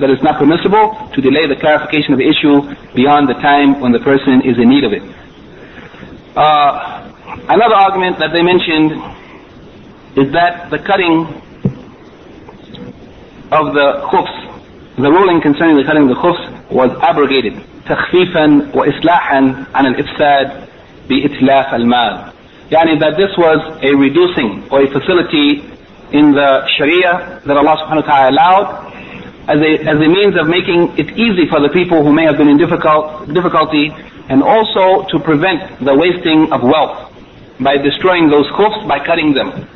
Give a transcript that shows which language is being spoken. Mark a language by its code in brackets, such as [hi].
[en] That it's not permissible to delay the clarification of the issue beyond the time when the person is in need of it. Another argument that they mentioned is that the cutting of the khufs, the ruling concerning the cutting of the khufs was abrogated. [ar] تخفيفاً وإصلاحاً عن الإفساد بإتلاف المال. [en] يعني that this was a reducing or a facility in the Sharia that Allah subhanahu wa ta'ala allowed as a means of making it easy for the people who may have been in difficulty and also to prevent the wasting of wealth by destroying those khufs by cutting them.